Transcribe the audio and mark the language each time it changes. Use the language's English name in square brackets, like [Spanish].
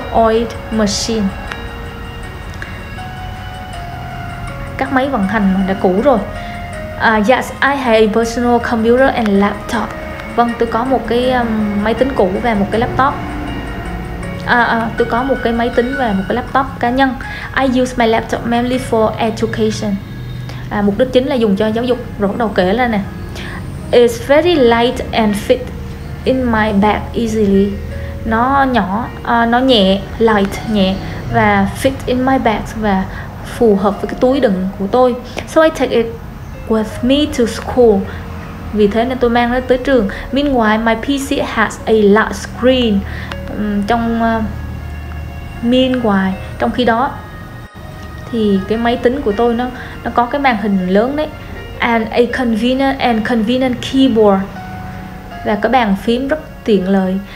[English] Well-oiled machine. [Vietnamese] Các máy vận hành đã cũ rồi. [English] Yes, I have a personal computer and laptop. [Vietnamese] Vâng, tôi có một cái máy tính cũ và một cái laptop. Tôi có một cái máy tính và một cái laptop cá nhân. [English] I use my laptop mainly for education. [Vietnamese] Mục đích chính là dùng cho giáo dục. Rồi bắt đầu kể lên nè. [English] is very light and fit in my bag easily. [Vietnamese] Nó nhỏ, nó nhẹ, light, nhẹ, và [English] fit in my bag, [Vietnamese] và phù hợp với cái túi đựng của tôi. [English] So I take it with me to school. [Vietnamese] Vì thế nên tôi mang nó tới trường. [English] Meanwhile, my PC has a large screen. [Vietnamese] Trong khi đó thì cái máy tính của tôi nó có cái màn hình lớn đấy. [English] And a convenient keyboard. [Vietnamese] Và cái bàn phím rất tiện lợi.